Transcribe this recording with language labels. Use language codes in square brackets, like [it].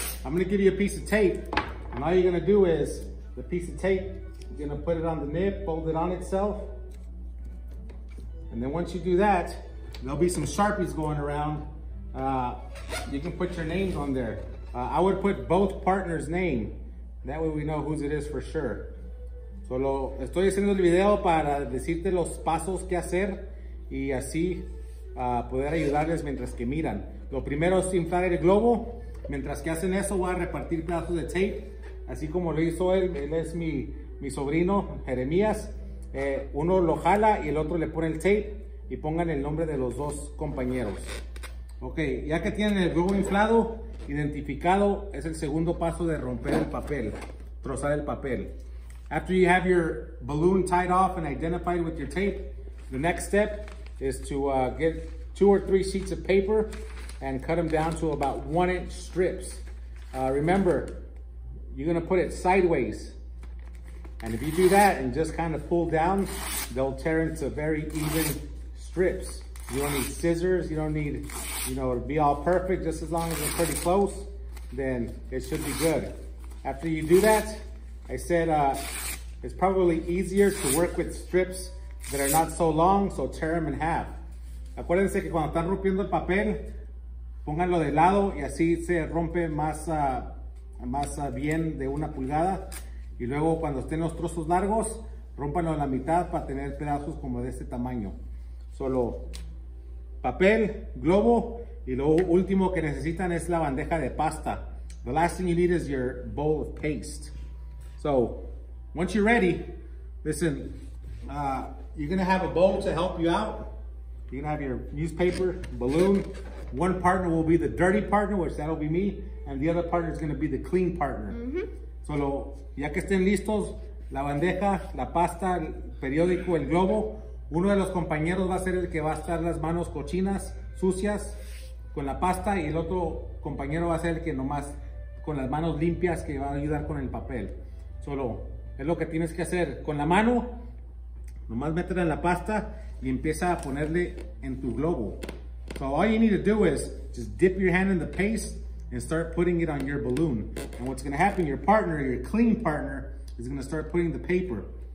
[en] I'm gonna give you a piece of tape. And all you're gonna do is the piece of tape, you're gonna put it on the nib, fold it on itself. And then once you do that, there'll be some Sharpies going around. You can put your names on there. I would put both partners' name. That way we know whose it is for sure. [es] Solo estoy haciendo el video para decirte los pasos que hacer y así poder ayudarles mientras que miran. Lo primero es inflar el globo. Mientras que hacen eso, voy a repartir pedazos de tape. Así como lo hizo él, él es mi sobrino, Jeremías. Uno lo jala y el otro le pone el tape y pongan el nombre de los dos compañeros. Ok, ya que tienen el globo inflado, identificado, es el segundo paso de romper el papel, trozar el papel. [en] After you have your balloon tied off and identified with your tape, the next step is to get two or three sheets of paper and cut them down to about 1-inch strips. Remember, you're gonna put it sideways. And if you do that and just kind of pull down, they'll tear into very even strips. You don't need scissors, you don't need, you know, to be all perfect, just as long as they're pretty close, then it should be good. After you do that, I said it's probably easier to work with strips that are not so long, so tear them in half. [es] Acuérdense que cuando están rompiendo el papel, pónganlo de lado y así se rompe más bien de una pulgada. Y luego cuando estén los trozos largos, rompanlo a la mitad para tener pedazos como de este tamaño. Solo papel, globo, y lo último que necesitan es la bandeja de pasta. [en] The last thing you need is your bowl of paste. So, once you're ready, listen, you're gonna have a bowl to help you out. You're gonna have your newspaper, balloon. One partner will be the dirty partner, which that'll be me, and the other partner is gonna be the clean partner. [es] Solo, ya que estén listos, la bandeja, la pasta, el periódico, el globo, uno de los compañeros va a ser el que va a estar las manos cochinas, sucias, con la pasta, y el otro compañero va a ser el que nomás con las manos limpias que va a ayudar con el papel. Solo, es lo que tienes que hacer con la mano, nomás meterla en la pasta y empieza a ponerle en tu globo. [en] So all you need to do is just dip your hand in the paste and start putting it on your balloon. And what's gonna happen, your partner, your clean partner, is gonna start putting the paper.